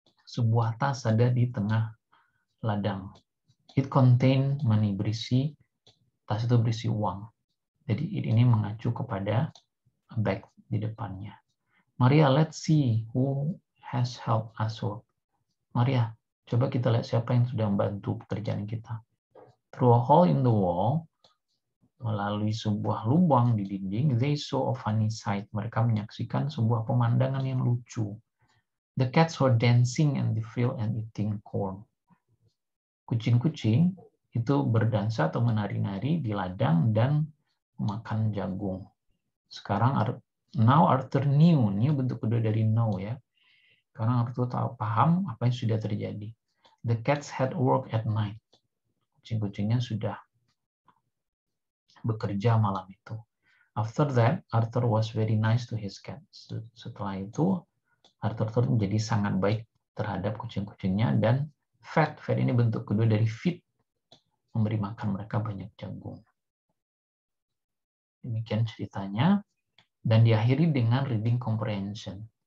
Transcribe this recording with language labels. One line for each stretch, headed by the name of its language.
Indonesian: Sebuah tas ada di tengah ladang.
English: It contained money,
Indonesian: berisi, tas itu berisi uang. Jadi ini mengacu kepada
English: a bag
Indonesian: di depannya.
English: Maria, let's see who has helped us work.
Indonesian: Maria, coba kita lihat siapa yang sudah membantu pekerjaan kita.
English: Through a hole in the wall,
Indonesian: melalui sebuah lubang di dinding,
English: they saw a funny sight.
Indonesian: Mereka menyaksikan sebuah pemandangan yang lucu.
English: The cats were dancing in the field and eating corn.
Indonesian: Kucing-kucing itu berdansa atau menari-nari di ladang dan makan jagung. Sekarang
English: now Arthur knew, new
Indonesian: bentuk kedua dari know ya. Karena Arthur tahu paham apa yang sudah terjadi.
English: The cats had work at night.
Indonesian: Kucing-kucingnya sudah bekerja malam itu.
English: After that, Arthur was very nice to his cats.
Indonesian: Setelah itu, Arthur menjadi sangat baik terhadap kucing-kucingnya dan fed. Fed ini bentuk kedua dari feed. Memberi makan mereka banyak jagung. Demikian ceritanya. Dan diakhiri dengan
English: reading comprehension.